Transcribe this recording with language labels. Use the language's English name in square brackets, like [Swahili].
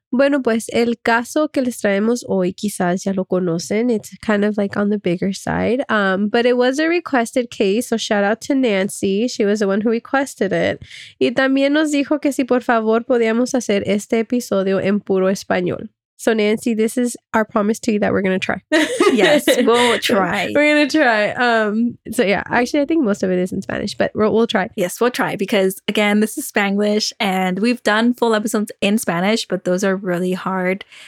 [Spanish] Bueno, pues el caso que les traemos hoy quizás ya lo conocen. [English] It's kind of like on the bigger side. But it was a requested case. So shout out to Nancy. She was the one who requested it. [Spanish] Y también nos dijo que si por favor podíamos hacer este episodio en puro español. [English] So Nancy, this is our promise to you that we're going to try. Yes, we'll try. We're going to try. So yeah, actually, I think most of it is in Spanish, but we'll try. Yes, we'll try because again, this is Spanglish and we've done full episodes in Spanish, but those are really hard.